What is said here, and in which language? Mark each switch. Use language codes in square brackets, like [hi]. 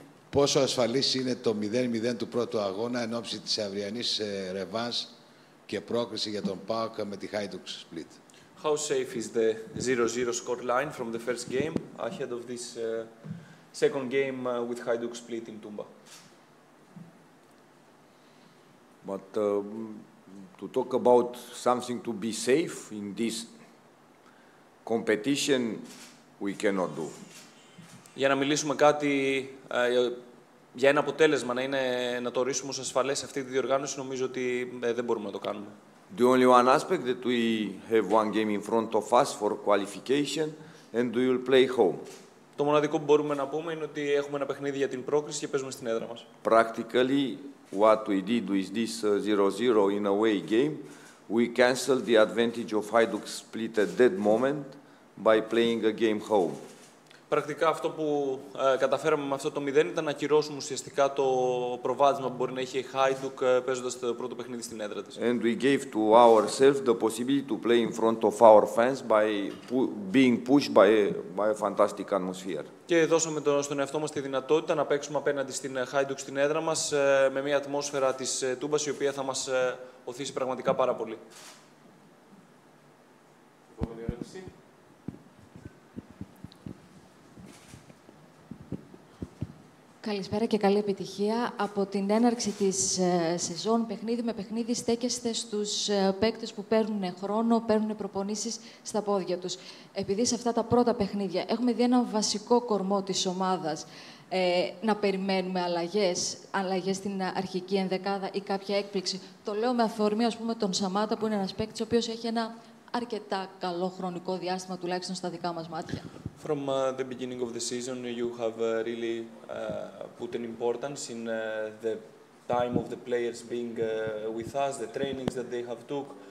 [el] Πόσο ασφαλής είναι το 0-0 του πρώτου αγώνα εν ώψη της αυριανής ρεβάνς και πρόκριση για τον ΠΑΟΚ με τη Χάιντουκ Σπλίτ? [en] How safe is the 0-0 scoreline from the first game ahead of this second game with Χάιντουκ Σπλίτ in Tumba? But to talk about something to be safe in this competition, we cannot do. [el] Για να μιλήσουμε κάτι για ένα αποτέλεσμα να είναι να το ορίσουμε ως ασφαλές αυτή τη διοργάνωση, νομίζω ότι δεν μπορούμε να το κάνουμε. [en] The only one aspect that we have one game in front of us for qualification and we will play home. [el] Το μοναδικό που μπορούμε να πούμε είναι ότι έχουμε ένα παιχνίδι για την πρόκριση και παίζουμε στην έδρα μας. [en] Practically what we did with this 0-0 in away game, we cancelled the advantage of Hajduk Split at that moment by playing a game home. [el] Πρακτικά αυτό που καταφέραμε με αυτό το 0 ήταν να ακυρώσουμε ουσιαστικά το προβάδισμα που μπορεί να έχει η Χάιντουκ παίζοντας το πρώτο παιχνίδι στην έδρα της. [en] And we gave to ourselves the possibility to play in front of our fans by being pushed by a fantastic atmosphere. [el] Και δώσαμε στον εαυτό μας τη δυνατότητα να παίξουμε απέναντι στην Χάιντουκ στην έδρα μας με μια ατμόσφαιρα της Τούμπας η οποία θα μας οθήσει πραγματικά πάρα πολύ. Επόμενη ερώτηση. Καλησπέρα και καλή επιτυχία. Από την έναρξη της σεζόν, παιχνίδι με παιχνίδι, στέκεστε στους παίκτες που παίρνουν χρόνο, παίρνουν προπονήσεις στα πόδια τους. Επειδή σε αυτά τα πρώτα παιχνίδια έχουμε δει ένα βασικό κορμό της ομάδας να περιμένουμε αλλαγές στην αρχική ενδεκάδα ή κάποια έκπληξη. Το λέω με αφορμή, ας πούμε, τον Σαμάτα, που είναι ένας παίκτης ο οποίος έχει ένα αρκετά καλό χρονικό διάστημα, τουλάχιστον στα δικά μας μάτια. [en] From the beginning of the season, you have really put an importance in the time of the players being with us, the trainings that they have took.